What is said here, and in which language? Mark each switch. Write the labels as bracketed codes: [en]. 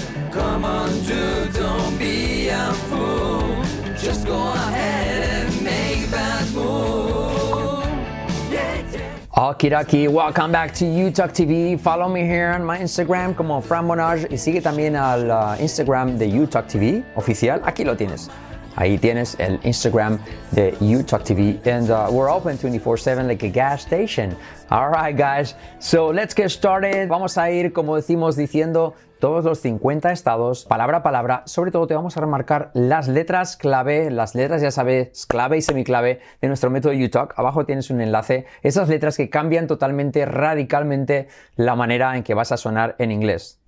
[en] Come on, dude, don't be a fool. Just go ahead and make that move. Yeah, yeah. Okie dokie, welcome back to UTalk TV. Follow me here on my Instagram [es] como Fran Bonage y sigue también al Instagram de UTalk TV oficial. Aquí lo tienes. Ahí tienes el Instagram de UTalk TV. [en] And we're open 24/7 like a gas station. All right, guys. So let's get started. [es] Vamos a ir, como decimos, diciendo todos los 50 estados, palabra a palabra. Sobre todo te vamos a remarcar las letras clave, las letras, ya sabes, clave y semiclave de nuestro método UTalk. Abajo tienes un enlace. Esas letras que cambian totalmente, radicalmente, la manera en que vas a sonar en inglés.